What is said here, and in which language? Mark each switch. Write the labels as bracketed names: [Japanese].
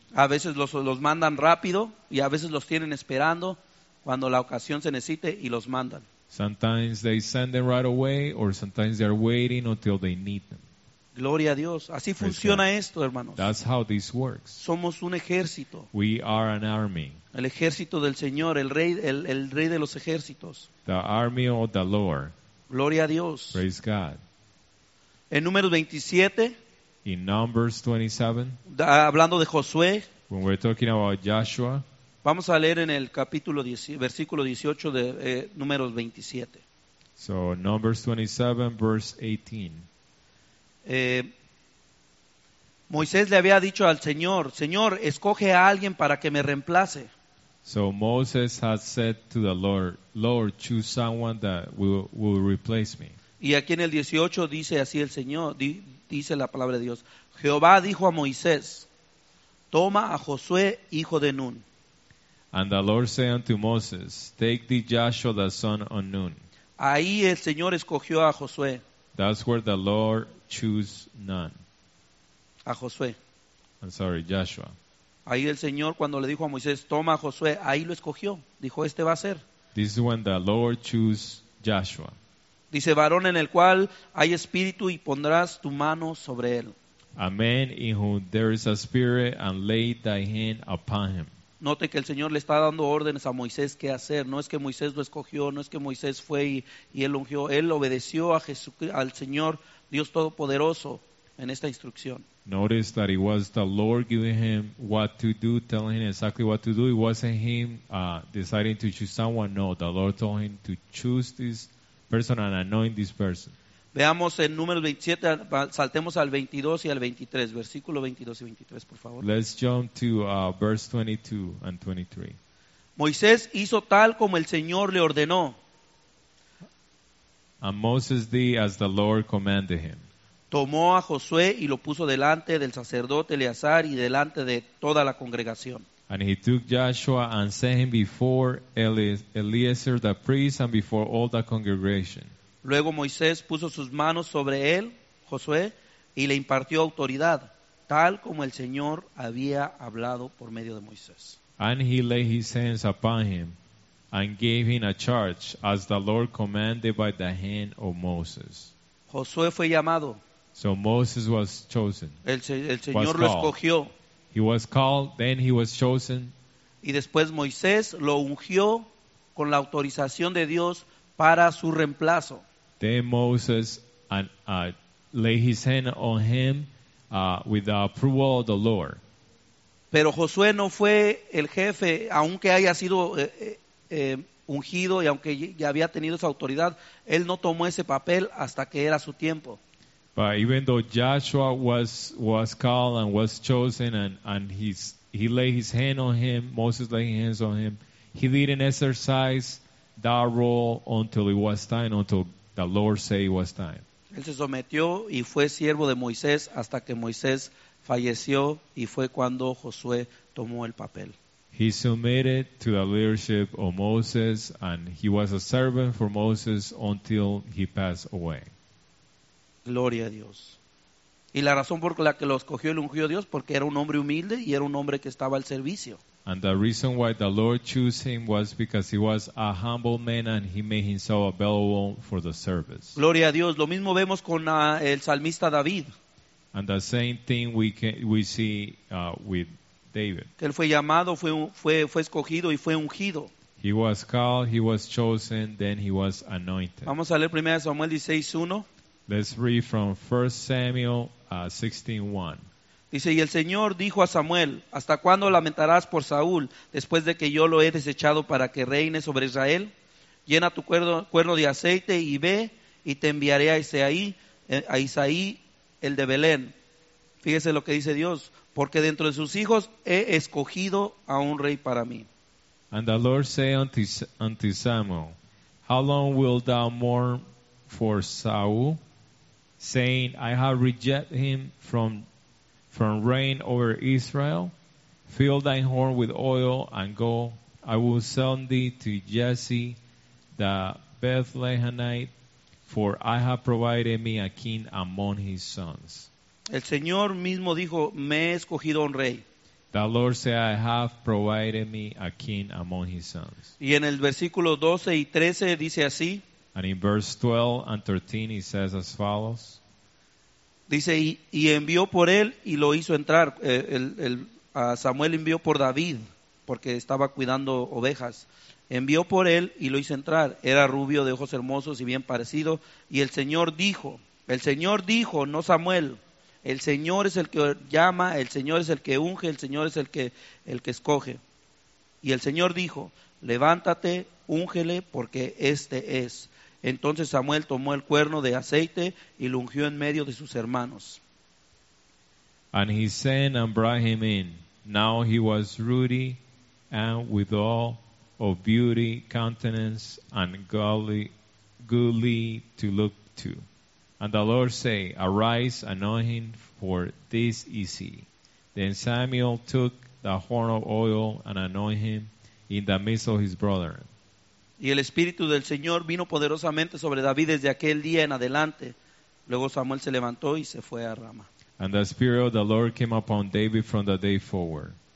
[Spanish] A veces los mandan rápido y a veces los tienen esperando cuando la ocasión se necesite y los mandan. [English] Sometimes they send them right away or sometimes they're waiting until they need them. [Spanish] Gloria a Dios. Así funciona esto, hermanos. [English] That's how this works. [Spanish] Somos un ejército. [English] We are an army. [Spanish] El ejército del Señor, el rey de los ejércitos. [English] The army of the Lord. [Spanish] Gloria a Dios. [English] Praise God. [Spanish] En Números 27. [English] In Numbers 27, hablando de Josué, when we're talking about Joshua, [Spanish] vamos a leer en el capítulo 10, versículo 18 de Números 27. [English] So, Numbers 27, verse 18. [Spanish] Moisés le había dicho al Señor, Señor, escoge a alguien para que me reemplace. [English] So, Moses had said to the Lord, Lord, choose someone that will replace me. [Spanish] Y aquí en el 18 dice así el Señor, dice la palabra de Dios. Jehová dijo a Moisés, toma a Josué, hijo de Nun. [English] And the Lord said unto Moses, take thee Joshua, the son of Nun. [Spanish] Ahí el Señor escogió a Josué. [English] That's where the Lord chose Nun. [Spanish] A Josué. [English] I'm sorry, Joshua. [Spanish] Ahí el Señor cuando le dijo a Moisés, toma a Josué, ahí lo escogió. Dijo, este va a ser. [English] This is when the Lord chose Joshua. [Spanish] Dice, varón en el cual hay espíritu y pondrás tu mano sobre él. [English] A man in whom there is a spirit and lay thy hand upon him. [Spanish] Note que el Señor le está dando órdenes a Moisés qué hacer. No es que Moisés lo escogió, no es que Moisés fue y él ungió. Él obedeció a Jesucristo, al Señor Dios Todopoderoso en esta instrucción. [English] Notice that it was the Lord giving him what to do, telling him exactly what to do. It wasn't him deciding to choose someone. No, the Lord told him to choose this person and anoint this person. [Spanish] Veamos en Números 27, saltemos al 22 y al 23, versículo 22 y 23, por favor. [English] Let's jump to verse 22 and 23. [Spanish] Moisés hizo tal como el Señor le ordenó. [English] And Moses did as the Lord commanded him. [Spanish] Tomó a Josué y lo puso delante del sacerdote Eleazar y delante de toda la congregación. [English] And he took Joshua and set him before Eleazar the priest and before all the congregation. [Spanish] Luego Moisés puso sus manos sobre él, Josué, y le impartió autoridad, tal como el Señor había hablado por medio de Moisés. [English] And he laid his hands upon him and gave him a charge as the Lord commanded by the hand of Moses. [Spanish] Josué fue llamado. [English] So Moses was chosen. [Spanish] El Señor lo escogió. [English] He was called, then he was chosen. [Spanish] Y después Moisés lo ungió con la autorización de Dios para su reemplazo. [English] Then Moses laid his hand on him with the approval of the Lord. [Spanish] Pero Josué no fue el jefe, aunque haya sido ungido y aunque ya había tenido esa autoridad, él no tomó ese papel hasta que era su tiempo. [English] But even though Joshua was called and was chosen and he laid his hand on him, Moses laid his hands on him, he didn't exercise that role until it was time, until the Lord said it was time. [Spanish] Él se sometió y fue siervo de Moisés hasta que Moisés falleció y fue cuando Josué tomó el papel. [English] He submitted to the leadership of Moses and he was a servant for Moses until he passed away. [Spanish] Gloria a Dios. Y la razón por la que lo escogió y lo ungió Dios porque era un hombre humilde y era un hombre que estaba al servicio. [English] And the reason why the Lord chose him was because he was a humble man and he made himself available for the service. [Spanish] Gloria a Dios. Lo mismo vemos con el salmista David. [English] And the same thing we see with David. [Spanish] Que él fue llamado, fue escogido y fue ungido. [English] He was called, he was chosen, then he was anointed. [Spanish] Vamos a leer 1 Samuel 16:1. [English] Let's read from 1 Samuel 16:1. [Spanish] Dice, y el Señor dijo a Samuel, ¿hasta cuándo lamentarás por Saúl después de que yo lo he desechado para que reine sobre Israel? Llena tu cuerno de aceite y ve y te enviaré a Isaí, el de Belén. Fíjese lo que dice Dios, porque dentro de sus hijos he escogido a un rey para mí. [English] And the Lord said unto Samuel, how long wilt thou mourn for Saul, saying, I have rejected him from reign over Israel? Fill thine horn with oil and go. I will send thee to Jesse the Bethlehemite, for I have provided me a king among his sons. [Spanish] El Señor mismo dijo, me he escogido un rey. [English] The Lord said, I have provided me a king among his sons. [Spanish] Y en el versículo 12 y 13 dice así. [English] And in verse 12 and 13 he says as follows. [Spanish] Dice, y envió por él y lo hizo entrar. Samuel envió por David, porque estaba cuidando ovejas. Envió por él y lo hizo entrar. Era rubio, de ojos hermosos y bien parecido. Y el Señor dijo, no Samuel. El Señor es el que llama, el Señor es el que unge, el Señor es el que escoge. Y el Señor dijo, levántate, úngele, porque este es. Entonces Samuel tomó el cuerno de aceite y lo ungió en medio de sus hermanos. [English] And he sent and brought him in. Now he was ruddy and withal of beauty, countenance, and goodly to look to. And the Lord said, arise, anoint him, for this is he. Then Samuel took the horn of oil and anointed him in the midst of his brethren. [Spanish] Y el Espíritu del Señor vino poderosamente sobre David desde aquel día en adelante. Luego Samuel se levantó y se fue a Rama. [English] And the Spirit of the Lord came upon David from the day forward.